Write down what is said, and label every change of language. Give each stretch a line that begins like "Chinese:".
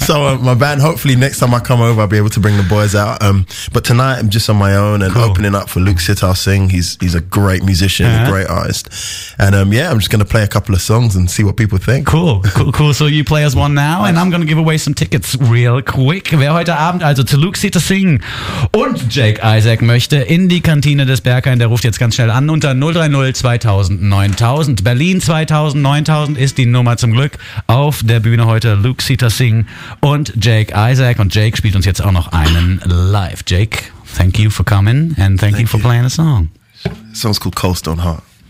English: So my band, hopefully next time I come over, I'll be able to bring the boys out. But tonight I'm just on my own and opening up for Luke Sitar Singh. He's a great musician. A great artist, and I'm just gonna play a couple of songs and see what people think. Cool. So you play us one now, and I'm gonna give away some tickets real quick.
German: Wer heute Abend also zu Luke Sitar Singh und Jake Isaac möchte in die Kantine des Berghain, der ruft jetzt ganz schnell an unter 030 2000 9000. Berlin 2000 9000 ist die Nummer zum Glück. Auf der Bühne heute Luke Sitar Singh und Jake Isaac, und Jake spielt uns jetzt auch noch einen live.
English: Jake, thank you for coming and thank you for playing a song. The song's called Cold Stone Heart.